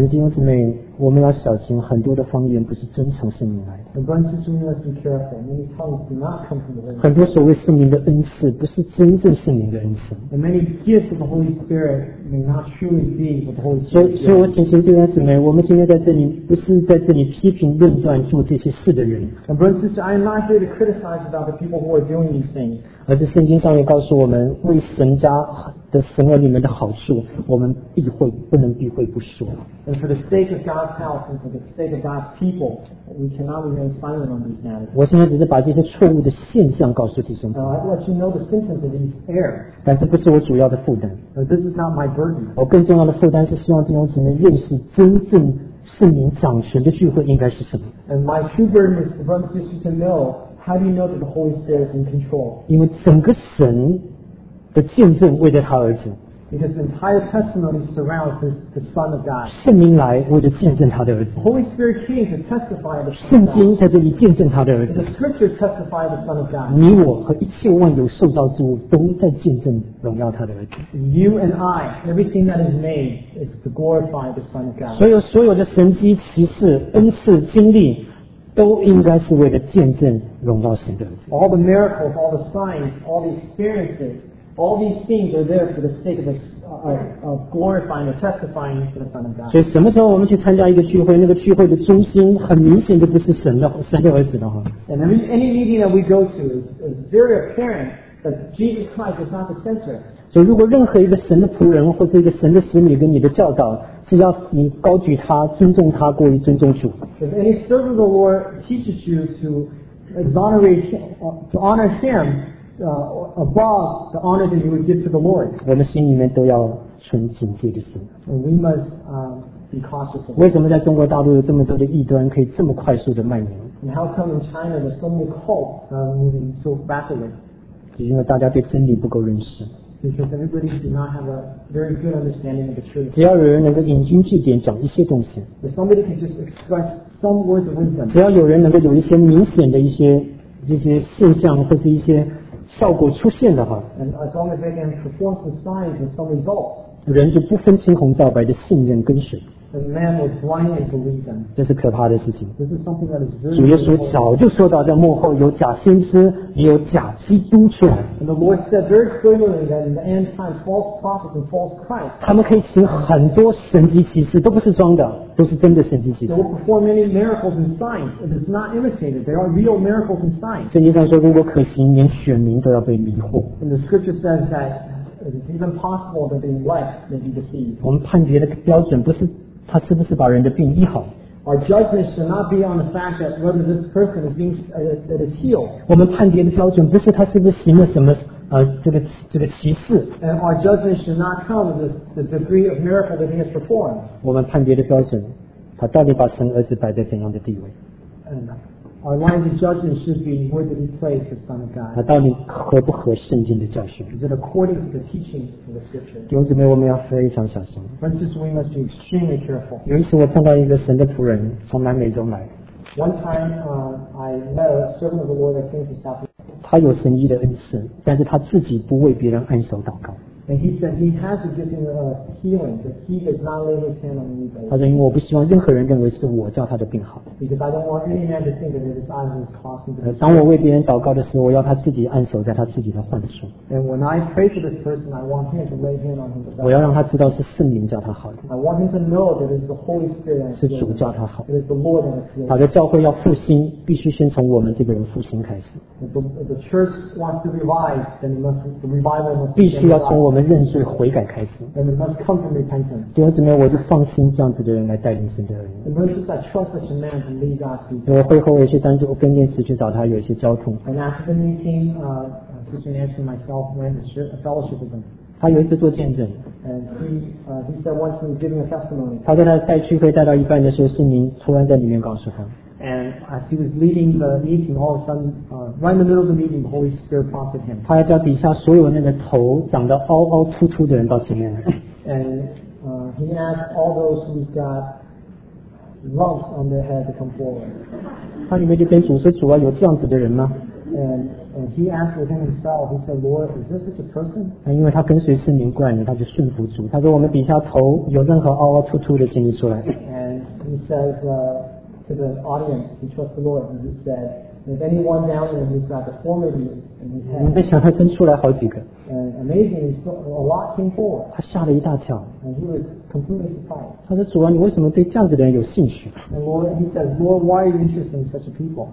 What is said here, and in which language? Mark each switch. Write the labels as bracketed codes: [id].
[zh] 是弟兄姊妹，我们要小心，很多的方言不是真从圣灵来的。很多所谓圣灵的恩赐，不是真正圣灵的恩赐。 [en] And many gifts of the Holy Spirit may not truly be what the Holy Spirit is. [zh] 所以我请求弟兄姊妹，我们今天在这里不是在这里批评论断做这些事的人。 [en] And brothers and sisters, I am not here to criticize about the people who are doing these things. [zh] 而是圣经上也告诉我们，为神家。的神儿里面的好处，我们不能避讳不说。 [en] And for the sake of God's house and for the sake of God's people, we cannot remain silent on these matters. [zh] 我现在只是把这些错误的现象告诉弟兄们。 [en] I let you know the symptoms of these errors. [zh] 但这不是我主要的负担。 [en] This is not my burden. [zh] 我更重要的负担是希望弟兄姊妹认识真正圣灵掌权的聚会应该是什么。 [en] And my true burden is for us just to know how do you know that the Holy Spirit is in control. [zh] 因为整个神。的见证为着他儿子 [en] because the entire testimony surrounds the Son of God [zh] 圣灵来为着见证他的儿子 [en] Holy Spirit came to testify the Son of God [zh] 圣经在这里见证他的儿子 [en] The Scripture testified the Son of God [zh] 你我和一切万有受造之物都在见证荣耀他的儿子 [en] You and I, everything that is made is to glorify the Son of God [zh] 所有的神迹奇事恩赐经历都应该是为了见证荣耀神的儿子 [en] All the miracles, all the signs, all the experiencesAll these things are there for the sake of glorifying or testifying to the Son of God. [zh] 所以什么时候我们去参加一个聚会，那个聚会的中心很明显就不是神的儿子的话。 [en] And any meeting that we go to is very apparent that Jesus Christ is not the center. [zh] 所以如果任何一个神的仆人或者一个神的使女跟你的教导只要你高举他，尊重他过于尊重主。 [en] If any servant of the Lord teaches you to honor him above the honor that you would give to the Lord, [zh] 我们心里面都要存警戒的心。 [en] And we must be cautious. [zh] 为什么在中国大陆有这么多的异端可以这么快速的蔓延？ [en] And how come in China there's so many cults moving so rapidly? [zh] 是因为大家对真理不够认识。 [en] Because everybody do not have a very good understanding of the truth. [zh] 只要有人能够引经据典讲一些东西。 [en] If somebody can just express some words of wisdom. [zh] 只要有人能够有一些明显的一些现象或是一些效果出现的话。 [en] And as long as they can perform some signs and some results. [zh] 人就不分青红皂白的信任跟随。 [en] The man will blindly believe them. [zh] 这是可怕的事情。 [en] This is something that is very. [zh] 主耶稣早就说到，在幕后有假先知，也有假基督出来。 [en] And the Lord said very clearly that in the end times, false prophets and false Christ. [zh] 他们可以行很多神迹奇事，都不是装的，都是真的神迹奇事。 [en] They will perform many miracles and signs. It is not imitated. There are real miracles and signs. [zh] 圣经上说，如果可行，连选民都要被迷惑。 [en] And the Scripture says that it is even possible that the elect may be deceived. [zh] 我们判决的标准不是。他是不是把人的病医好？ [en] Our judgment should not be on the fact that whether this person is being that is healed. [zh] 我们判别的标准不是他是不是行了什么这个奇事。 [en] And our judgment should not come with the degree of miracle that he has performed. [zh] 我们判别的标准，他到底把神儿子摆在怎样的地位？ [en] And our lines of judgment should be where did he place the Son of God? [zh] 他到底合不合圣经的教训？ [en] Is it according to the teaching of the Scripture? [zh] 弟兄姊妹，我们要非常小心。 [en] Friends, we must be extremely careful. [zh] 有一次，我碰到一个神的仆人，从南美洲来。 [en] One time, I met a servant of the Lord that came from South America. [zh] 他有神医的恩赐，但是他自己不为别人按手祷告。 [en] And he said he has a gift of healing, but he does not lay his hand on anybody. [zh] 他说因为我不希望任何人认为是我叫他的病好。 [en] Because I don't want any man to think that it is I who is causing the disease. [zh] 当我为别人祷告的时候，我要他自己按手在他自己的患处。 [en] And when I pray for this person, I want him to lay hand on himself. [zh] 我要让他知道是圣灵叫他好的。 [en] I want him to know that it is the Holy Spirit. [zh] 是主叫他好。 [en] It is the Lord that is healing. [zh] 好的，教会要复兴，必须先从我们这个人复兴开始。 [en] The church wants to revive, then the revival must begin. [zh] 必须要从我们认罪悔改开始。 [en] And it must come from repentance. [zh] 弟兄姊妹，我就放心这样子的人来带领神的人。 [en] And verses I trust such a man to lead God's people. [zh] 我会后有些单独跟念慈去找他有一些交通。 [en] And after the meeting, Sister Nancy and myself ran a fellowship with him. [zh] 他有一次做见证。 [en] And he said once he was giving a testimony. [zh] 他在他带聚会带到一半的时候，圣灵突然在里面告诉他。 [en] And as he was leading the meeting, all of a sudden, right in the middle of the meeting, the Holy Spirit prompted him. [zh] 他要叫底下所有那个头长得凹凹凸凸的人到前面来。 [en] And he asked all those who's got lumps on their head to come forward. [zh] 他里面就跟主说：“主啊，有这样子的人吗？” [en] And he asked within himself, he said, "Lord, is this such a person?" [zh] 因为他跟随圣灵惯了，他就顺服主。他说：“我们底下头有任何凹凹凸凸的，请你出来。” [en] And he says, To the audience, he trusts the Lord, and he said, "If anyone down there who's got deformity in his head," [zh] 你在想他真出来好几个。 [en] And amazingly, so a lot came forward. [zh] 他吓了一大跳。 [en] And he was completely surprised. [zh] 他说：“主啊，你为什么对这样子的人有兴趣？” [en] And Lord, he says, "Lord, why are you interested in such a people?"